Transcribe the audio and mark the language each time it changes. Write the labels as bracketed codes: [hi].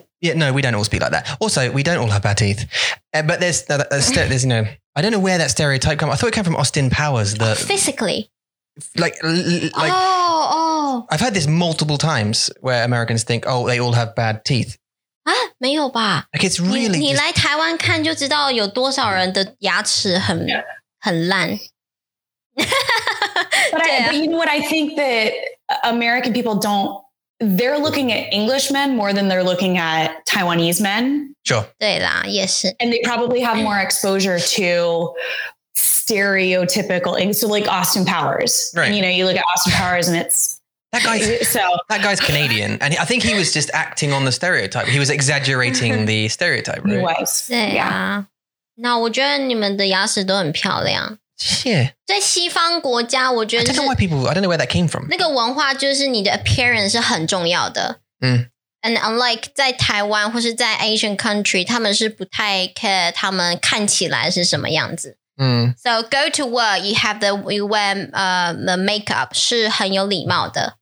[en] Yeah, no, we don't all speak like that. Also, we don't all have bad teeth. But there's, you know, I don't know where that stereotype came from. I thought it came from Austin Powers. Physically? Like, I've heard this multiple times where Americans think, oh, they all have bad teeth. [zh] 啊，没有吧。 [en] Like, it's really [zh] 你来台湾看就知道有多少人的牙齿很烂。 [en] But you know what I think that American people don't they're looking at English men more than they're looking at Taiwanese men. Sure. [zh] 对啦，也是。 [en] And they probably have more exposure to stereotypical, so like Austin Powers. Right. And, you know, you look at Austin Powers and it's... That guy's Canadian. And I think he was just acting on the stereotype. He was exaggerating the stereotype, right? He was. [zh] 对啊。那我觉得你们的牙齿都很漂亮。 [en] Yeah. [zh] 在西方国家我觉得、就是、 [en] I don't know why people, I don't know where that came from. [zh] 那个文化就是你的 appearance 是很重要的。 Mm. [en] And unlike [zh] 在台湾或是在 [en] Asian country, [zh] 他们是不太 care 他们看起来是什么样子。 Mm. [en] So go to work, you wear the makeup [zh] 是很有礼貌的。